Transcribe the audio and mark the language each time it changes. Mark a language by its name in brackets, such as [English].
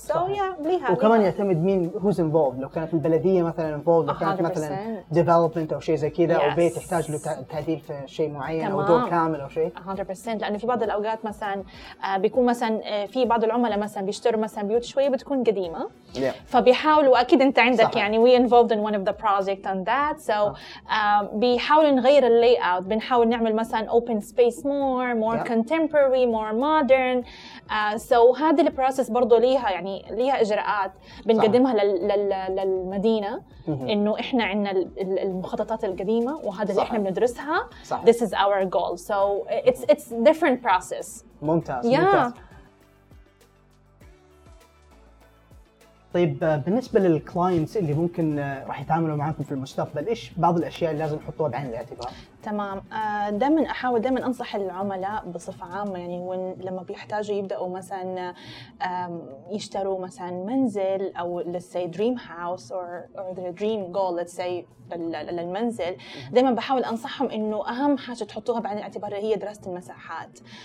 [Arabic] so yeah ليها وكمان ليها. يعتمد مين [English] who's involved [Arabic] لو كانت البلديه مثلا involved لو كانت 100%. مثلا development او شيء زي كذا yes. او بيت يحتاج له تعديل في شيء معين تمام. او دور كامل او شيء 100% لانه في بعض الاوقات مثلا يكون مثلا في بعض العملاء مثلا بيشتروا مثلا بيوت شويه بتكون قديمه [English] yeah. [Arabic] فبيحاولوا اكيد انت عندك صحيح. [English] يعني we involved in one of the project on that so [Arabic] بيحاولوا نغير اللاي اوت بنحاول نعمل مثلا [English] open space more yeah. contemporary more modern so [Arabic] هذا البروسيس برضه ليها يعني ليها اجراءات بنقدمها للمدينه انه احنا عندنا المخططات القديمه وهذا اللي احنا بندرسها صحيح. [English] this is our goal so it's different process [Arabic] ممتاز [English] yeah. [Arabic] ممتاز طيب بالنسبه للكلاينتس اللي ممكن راح يتعاملوا معاكم في المستقبل ايش بعض الاشياء اللي لازم نحطوها بعين الاعتبار تمام دائما احاول دائما انصح العملاء بصفه عامه يعني لما بيحتاجوا يبداوا مثلا يشتروا مثلا منزل او [English] let's say dream house or their dream goal let's say [Arabic] للمنزل دائما بحاول انصحهم انه اهم حاجه تحطوها بعين الاعتبار هي دراسه المساحات